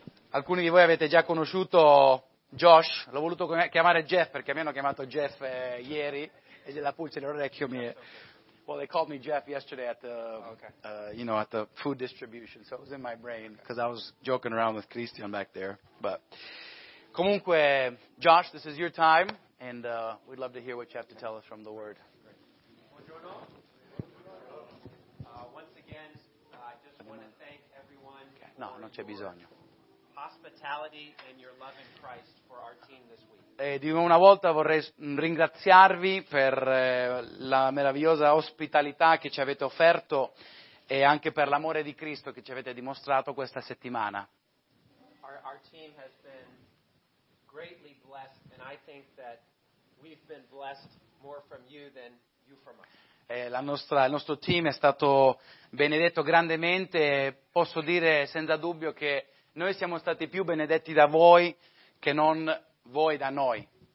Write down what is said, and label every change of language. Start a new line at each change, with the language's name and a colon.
Italian: Alcuni di voi avete già conosciuto Josh, l'ho voluto chiamare Jeff perché mi hanno chiamato Jeff ieri e la pulce nell'orecchio mi è...
English: Well, they called me Jeff yesterday at the, you know, at the food distribution, so it was in my brain because I was joking around with Christian back there. But comunque, Josh, this is your time, and we'd love to hear what you have to tell us from the Word.
Italian: Buongiorno.
English: Once again, I just want to thank everyone. Okay. No, for
Italian: non c'è bisogno.
English: Hospitality and your love in Christ for our team this week.
Italian: E di una volta vorrei ringraziarvi per la meravigliosa ospitalità che ci avete offerto e anche per l'amore di Cristo che ci avete dimostrato questa settimana.
English: Our team has been greatly blessed and I think that we've been blessed more from you than you from us.
Italian: Il nostro team è stato benedetto grandemente e posso dire senza dubbio che noi siamo stati più benedetti da voi che non voi da noi.